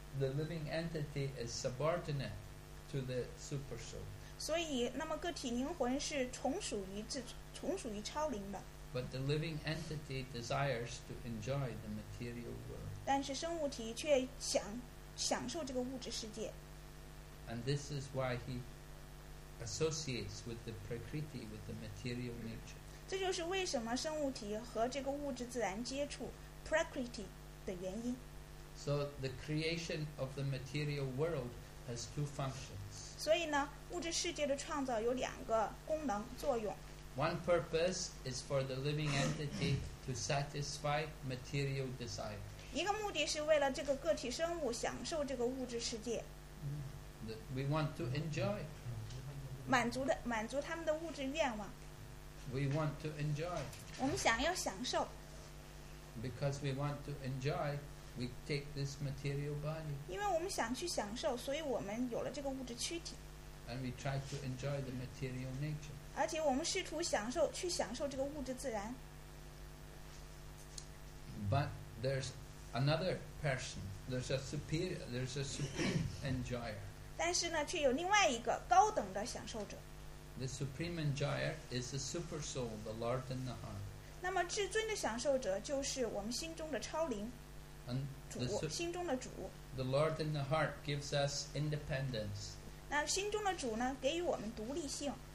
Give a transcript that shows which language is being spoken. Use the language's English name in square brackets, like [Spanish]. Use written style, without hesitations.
[English] The living entity is subordinate to the super soul. [Chinese] 所以，那么个体灵魂是从属于超灵的。 [English] But the living entity desires to enjoy the material world. [Chinese] 但是生物体却享受这个物质世界。 [English] And this is why he associates with the prakriti, with the material nature. [Chinese] 这就是为什么生物体和这个物质自然接触 prakriti 的原因。 [English] So the creation of the material world has two functions. [Chinese] 所以呢，物质世界的创造有两个功能作用。 [English] One purpose is for the living entity to satisfy material desire. [Chinese] 一个目的是为了这个个体生物享受这个物质世界。 [English] We want to enjoy. [Chinese] 满足他们的物质愿望。 [English] We want to enjoy. [Chinese] 我们想要享受。 [English] Because we want to enjoy, we take this material body. [Chinese] 因为我们想去享受，所以我们有了这个物质躯体。 [English] And we try to enjoy the material nature. [Chinese] 而且我们试图享受，去享受这个物质自然。 [English] But there's another person. There's a supreme enjoyer. [Chinese] 但是呢，却有另外一个高等的享受者。 [English] The supreme enjoyer is the super soul, the Lord in the heart. [Chinese] 那么至尊的享受者就是我们心中的超灵。 [English] And [Chinese] 主，心中的主。 [English] The Lord in the heart gives us independence. [Chinese] 那心中的主呢，给予我们独立性。